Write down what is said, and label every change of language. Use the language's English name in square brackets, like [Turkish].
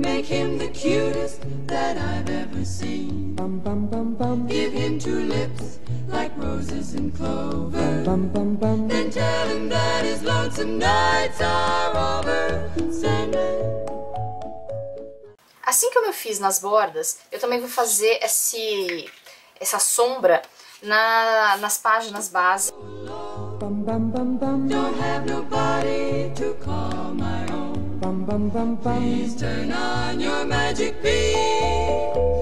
[English] Make him the cutest that I've ever seen. Bum, bum, bum, bum. Give him 2 lips like roses and clover. Bum, bum, bum, bum. Then tell him that his lonesome nights are over. Sandman. [Portuguese] Assim como eu fiz nas bordas, eu também vou fazer essa sombra nas páginas base. Bum, bum, bum, bum. [English] Don't have nobody to call my own. Bum, bum, bum, bum. Please turn on your magic beam.